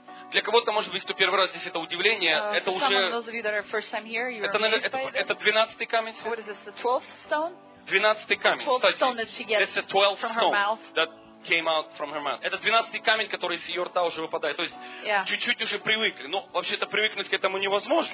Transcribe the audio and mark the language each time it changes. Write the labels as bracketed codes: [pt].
[ru] Для кого-то, может быть, кто первый раз здесь, это удивление. Это уже... Это 12-й камень. [en] What is this, the 12th stone? [ru] 12-й камень. [en] 12th stone that she gets from her mouth. It's a 12th stone that came out from her mouth. [ru] Это 12-й камень, который с ее рта уже выпадает. То есть, [en] yeah. [ru] Чуть-чуть уже привыкли. Но вообще-то привыкнуть к этому невозможно.